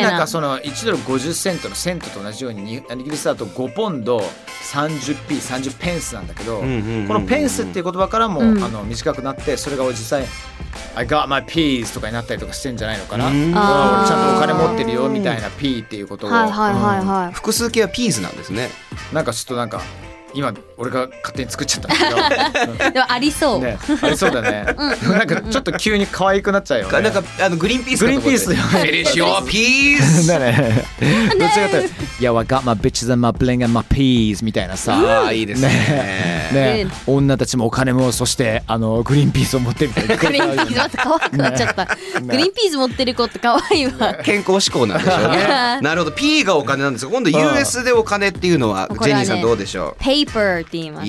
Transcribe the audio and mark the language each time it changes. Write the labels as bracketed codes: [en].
[ja] いわゆるなんかその1ドル50セントのセントと同じように、イギリスだと5ポンド30P、30ペンスなんだけど、このペンスっていう言葉からも、うん、あの短くなって、それが実際 [en] I got my peas [ja] とかになったりとかしてんじゃないのかな、ちゃんとお金持ってるよみたいな P っていうことを、はいはいはいはい、複数形は peas なんですね。なんかちょっとなんか今俺が勝手に作っちゃったけど、でもありそう、ね、ありそうだね。なんかちょっと急に可愛くなっちゃうよね。なんかあのグリーンピースのところでフィニッシュオーピースだね。 [en] どちらかというと、Yo, I got my bitches and my bling and my peas [ja] みたいなさ、あいいです ね、ね、 ね、女たちもお金も、そしてあのグリーンピースを持ってるみたいな、グリーンピースまた可愛くなっちゃった、ね、グリーンピース持ってる子って可愛いわ、ね、健康志向なんでしょうね。なるほど、 P がお金なんですよ。今度 US でお金っていうのは、ジェニーさんどうでしょう。 Paper って言います。